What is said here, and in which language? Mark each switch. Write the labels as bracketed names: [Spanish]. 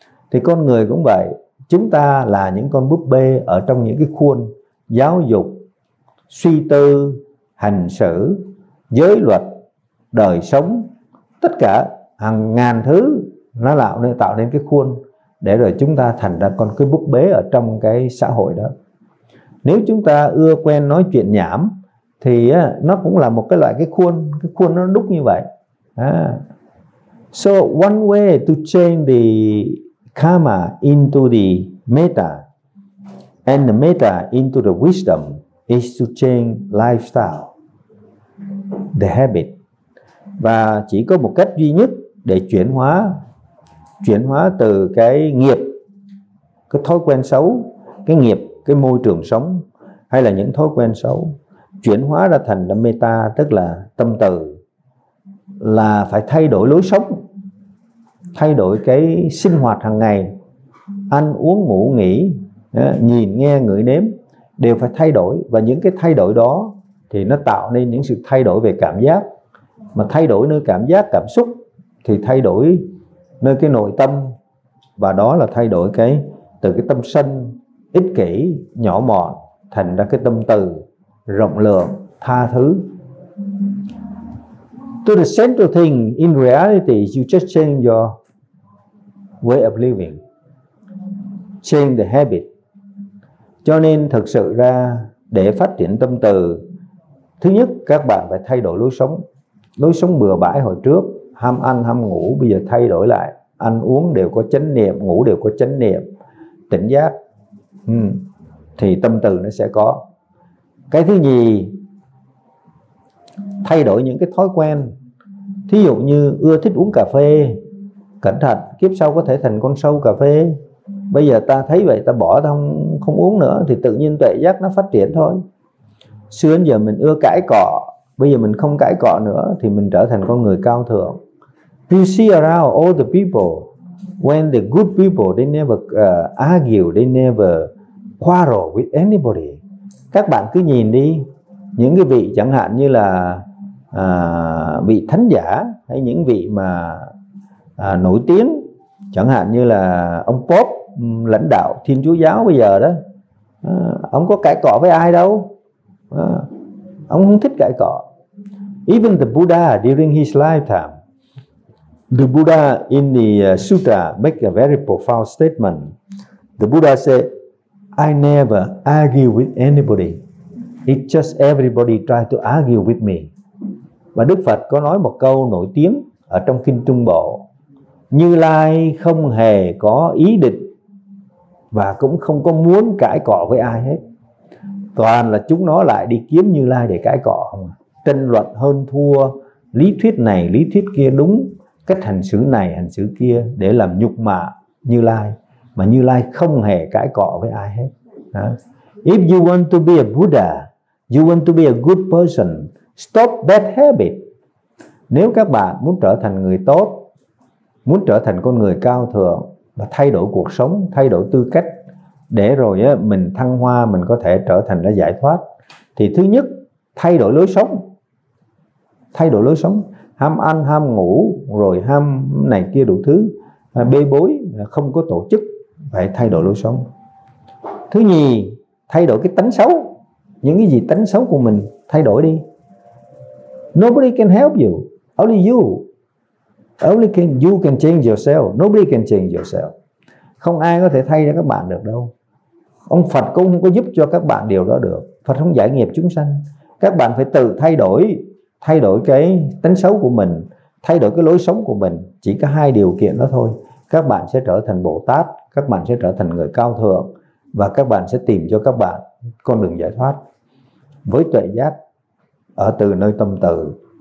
[Vietnamese] Thì con người cũng vậy, chúng ta là những con búp bê ở trong những cái khuôn giáo dục, suy tư, hành xử, giới luật, đời sống, tất cả hàng ngàn thứ nó tạo nên cái khuôn để rồi chúng ta thành ra con cái búp bê ở trong cái xã hội đó. Nếu chúng ta ưa quen nói chuyện nhảm thì nó cũng là một cái loại cái khuôn nó đúc như vậy. À. [English] So one way to change the karma into the metta and the metta into the wisdom is to change lifestyle, the habit. [Vietnamese] Và chỉ có một cách duy nhất để chuyển hóa từ cái nghiệp, cái thói quen xấu, cái nghiệp, cái môi trường sống hay là những thói quen xấu, chuyển hóa ra thành là metta, tức là tâm từ, là phải thay đổi lối sống, thay đổi cái sinh hoạt hàng ngày, ăn uống ngủ nghỉ, nhìn nghe ngửi nếm đều phải thay đổi. Và những cái thay đổi đó thì nó tạo nên những sự thay đổi về cảm giác, mà thay đổi nơi cảm giác, cảm xúc thì thay đổi nơi cái nội tâm, và đó là thay đổi cái từ cái tâm sân ích kỷ nhỏ mọn thành ra cái tâm từ rộng lượng, tha thứ. [English] To the central thing in reality, you just change your way of living, change the habit. [Vietnamese] Cho nên thực sự ra để phát triển tâm từ, thứ nhất các bạn phải thay đổi lối sống. Lối sống bừa bãi hồi trước, ham ăn ham ngủ, bây giờ thay đổi lại, ăn uống đều có chánh niệm, ngủ đều có chánh niệm, tỉnh giác, thì tâm từ nó sẽ có. Cái thứ nhì, thay đổi những cái thói quen. Thí dụ như ưa thích uống cà phê, cẩn thận kiếp sau có thể thành con sâu cà phê. Bây giờ ta thấy vậy ta bỏ, ta không uống nữa, thì tự nhiên tuệ giác nó phát triển thôi. Xưa đến giờ mình ưa cãi cọ, bây giờ mình không cãi cọ nữa thì mình trở thành con người cao thượng. [English] You see around all the people, when the good people, they never argue, they never quarrel with anybody. [Vietnamese] Các bạn cứ nhìn đi, những cái vị chẳng hạn như là vị thánh giả hay những vị mà nổi tiếng, chẳng hạn như là ông Pope, lãnh đạo Thiên Chúa giáo bây giờ đó, ông có cãi cọ với ai đâu. Ông không thích cãi cọ. [English] Even the Buddha during his lifetime, the Buddha in the sutra make a very profound statement. The Buddha said, I never argue with anybody. It's just everybody try to argue with me. [Vietnamese] Và Đức Phật có nói một câu nổi tiếng ở trong Kinh Trung Bộ. Như Lai không hề có ý định và cũng không có muốn cãi cọ với ai hết. Toàn là chúng nó lại đi kiếm Như Lai để cãi cọ, tranh luận hơn thua, lý thuyết này, lý thuyết kia đúng, cách hành xử này, hành xử kia để làm nhục mạ Như Lai. Mà Như Lai không hề cãi cọ với ai hết. [English] If you want to be a Buddha, you want to be a good person, stop bad habit. [Vietnamese] Nếu các bạn muốn trở thành người tốt, muốn trở thành con người cao thượng và thay đổi cuộc sống, thay đổi tư cách để rồi mình thăng hoa, mình có thể trở thành là giải thoát, thì thứ nhất thay đổi lối sống. Thay đổi lối sống, ham ăn ham ngủ rồi ham này kia đủ thứ, bê bối, không có tổ chức, phải thay đổi lối sống. Thứ nhì, thay đổi cái tánh xấu. Những cái gì tánh xấu của mình thay đổi đi. [English] Nobody can help you, only you. Only can you can change yourself, nobody can change yourself. [Vietnamese] Không ai có thể thay cho các bạn được đâu. Ông Phật cũng không có giúp cho các bạn điều đó được. Phật không giải nghiệp chúng sanh. Các bạn phải tự thay đổi cái tánh xấu của mình, thay đổi cái lối sống của mình. Chỉ có hai điều kiện đó thôi, các bạn sẽ trở thành Bồ Tát, các bạn sẽ trở thành người cao thượng, và các bạn sẽ tìm cho các bạn con đường giải thoát với tuệ giác ở từ nơi tâm từ.